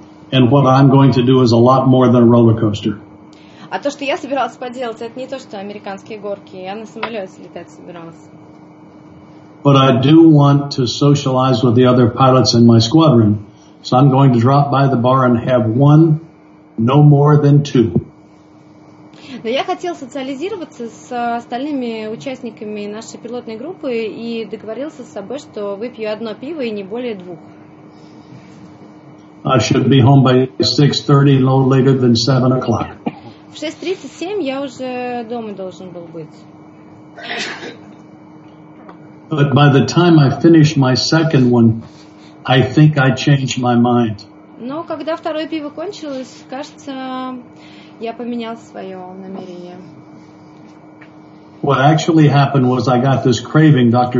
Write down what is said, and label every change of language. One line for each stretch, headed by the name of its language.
English: And what I'm going to do is a lot more than a roller coaster.
Russian: А то, что я собирался поделать, это не то, что американские горки. Я на самолете летать собирался.
English: But I do want to socialize with the other pilots in my squadron. So I'm going to drop by the bar and have one, no more than two.
Russian: Но я хотел социализироваться с остальными участниками нашей пилотной группы и договорился с собой, что выпью одно пиво и не более двух.
English: I should be home by 6:30, no later than 7:00.
Russian: В 6:37 я уже дома должен был быть.
English: But by the time I finished my second one, I think I changed my mind.
Russian: Но когда второе пиво кончилось, кажется, я поменял свое намерение.
English: What actually happened was I got this craving Dr.